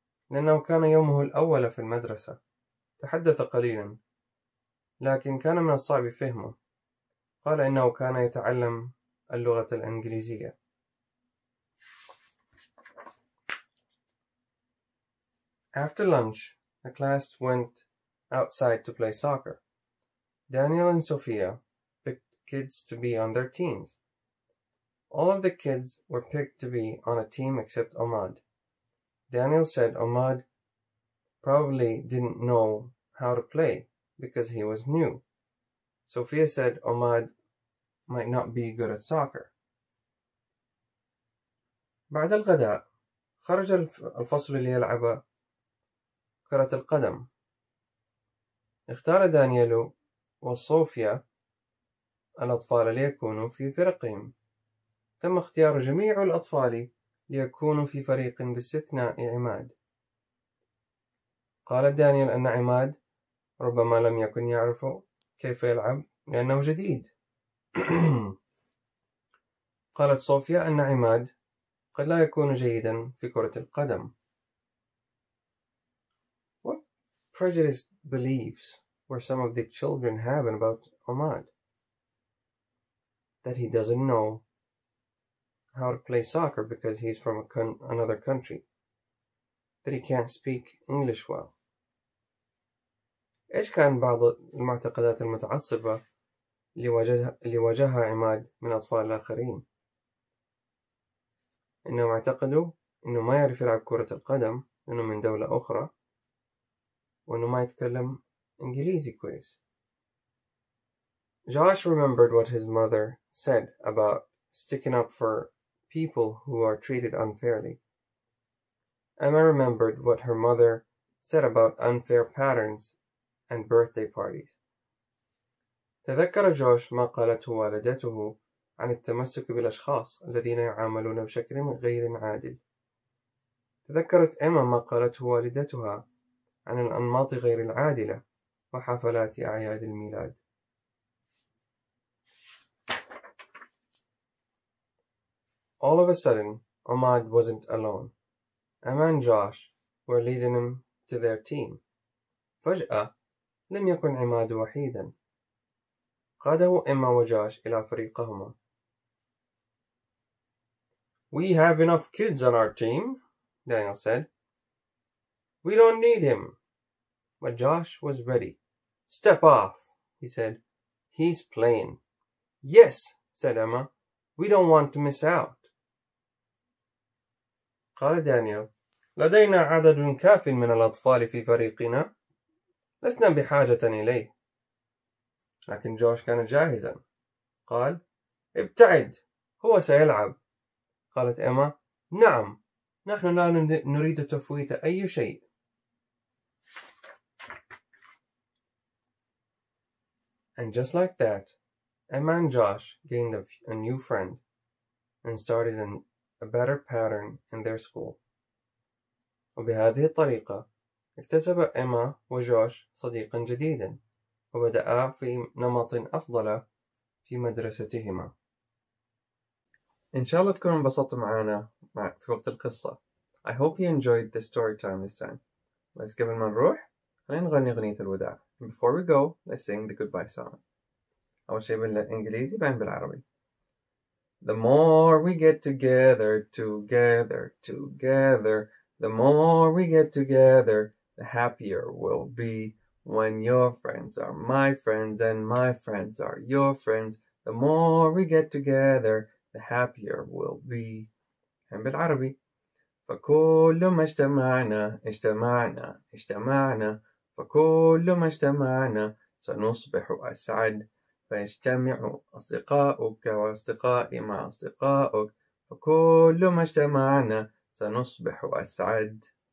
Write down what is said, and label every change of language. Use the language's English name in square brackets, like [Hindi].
[Arabic] لأنه كان يومه الأول في المدرسة. تحدث قليلا. لكن كان من الصعب فهمه. قال إنه كان يتعلم اللغة الإنجليزية. [English] After lunch, the class went outside to play soccer. Daniel and Sophia picked kids to be on their teams. All of the kids were picked to be on a team except Ahmad. Daniel said Ahmad probably didn't know how to play because he was new. Sophia said Ahmad might not be good at soccer. [Arabic] بعد الغداء خرج الفصل ليلعب كرة القدم. اختار دانيال وصوفيا الأطفال ليكونوا في فرقهم. تم اختيار جميع الأطفال ليكونوا في فريق باستثناء عماد. قال دانيال أن عماد ربما لم يكن يعرف كيف يلعب لأنه جديد. قالت صوفيا أن عماد قد لا يكون جيدا في كرة القدم. [English] What prejudiced beliefs were some of the children having about Ahmad? That he doesn't know how to play soccer because he's from another country. That he can't speak English well. [Arabic] إيش كان بعض المعتقدات المتعصبة اللي واجهها عماد من أطفال الآخرين؟ إنهم اعتقدوا إنه ما يعرف يلعب كرة القدم لأنه من دولة أخرى وإنه ما يتكلم إنجليزي كويس. [English] Josh remembered what his mother said about sticking up for people who are treated unfairly. Emma remembered what her mother said about unfair patterns and birthday parties. [Arabic] تذكر جوش ما قالته والدته عن التمسك بالأشخاص الذين يعاملون بشكل غير عادل. تذكرت إيما ما قالته والدتها عن الأنماط غير العادلة وحفلات أعياد الميلاد. [English] All of a sudden, Ahmad wasn't alone. Emma and Josh were leading him to their team. [Arabic] فجأة لم يكن عماد وحيدا. قاده إيما وجوش إلى فريقهما. [English] We have enough kids on our team, Daniel said. We don't need him. But Josh was ready. Step off, he said. He's playing. Yes, said Emma. We don't want to miss out. [Arabic] قال دانيال, لدينا عدد كاف من الأطفال في فريقنا. لسنا بحاجة إليه. لكن جوش كان جاهزا. قال, ابتعد. هو سيلعب. قالت إيما, نعم. نحن لا نريد تفويت أي شيء. [English] And just like that, Emma and Josh gained a new friend and started a better pattern in their school. [Arabic] وبهذه الطريقة اكتسب إيما وجوش صديقا جديدا وبدأ في نمط أفضل في مدرستهما. إن شاء الله تكونوا انبسطوا معنا في وقت القصة. [English] I hope you enjoyed the story time this time. [Arabic] بس قبل ما نروح خلينا نغني أغنية الوداع. [English] Before we go, let's sing the goodbye song. [Arabic] أول شيء بالإنجليزي بعدين بالعربي. [English] The more we get together, together, together, the more we get together, the happier we'll be. When your friends are my friends and my friends are your friends, the more we get together, the happier we'll be. And [Arabic] بالعربي. فكل ما اجتمعنا اجتمعنا اجتمعنا فكل ما اجتمعنا سنصبح أسعد. فاجتمع أصدقاؤك وأصدقائي مع أصدقائك فكل ما اجتمعنا سنصبح أسعد.